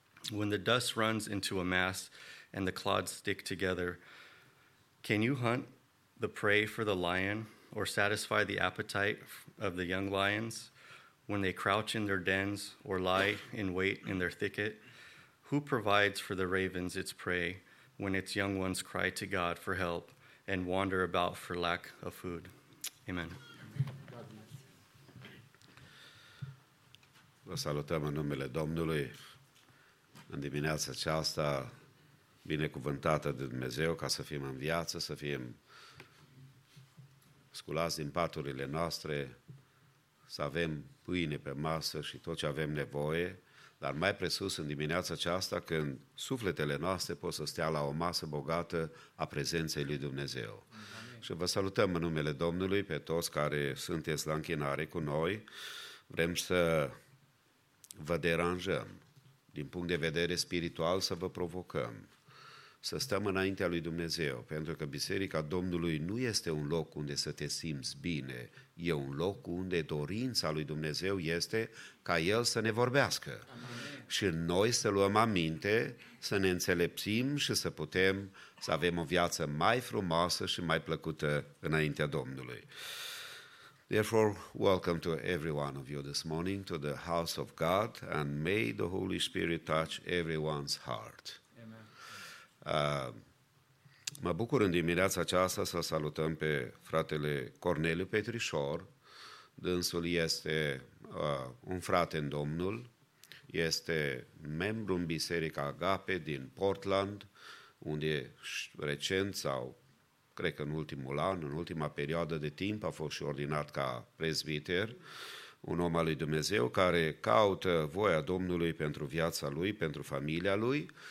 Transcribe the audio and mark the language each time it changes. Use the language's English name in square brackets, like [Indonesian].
[English] When the dust runs into a mass and the clods stick together, can you hunt the prey for the lion, or satisfy the appetite of the young lions when they crouch in their dens or lie in wait in their thicket? Who provides for the ravens its prey when its young ones cry to God for help and wander about for lack of food?" Amen. [Romanian] Vă salutăm în numele Domnului în dimineața aceasta binecuvântată de Dumnezeu, ca să fim în viață, să fim sculați din paturile noastre, să avem pâine pe masă și tot ce avem nevoie, dar mai presus în dimineața aceasta, când sufletele noastre pot să stea la o masă bogată a prezenței lui Dumnezeu. Și vă salutăm în numele Domnului pe toți care sunteți la închinare cu noi. Vrem să vă deranjăm, din punct de vedere spiritual, să vă provocăm, să stăm înaintea lui Dumnezeu, pentru că Biserica Domnului nu este un loc unde să te simți bine, e un loc unde dorința lui Dumnezeu este ca El să ne vorbească. Amen. Și noi să luăm aminte, să ne înțelepțim și să putem să avem o viață mai frumoasă și mai plăcută înaintea Domnului. [English] Therefore, welcome to every one of you this morning to the house of God, and may the Holy Spirit touch everyone's heart. [Romanian] Mă bucur în dimineața aceasta să salutăm pe fratele Corneliu Petrișor. Dânsul este un frate în Domnul, este membru în Biserica Agape din Portland, unde recent sau cred că în ultimul an, în ultima perioadă de timp, a fost și ordinat ca prezbiter, un om al lui Dumnezeu care caută voia Domnului pentru viața lui, pentru familia lui.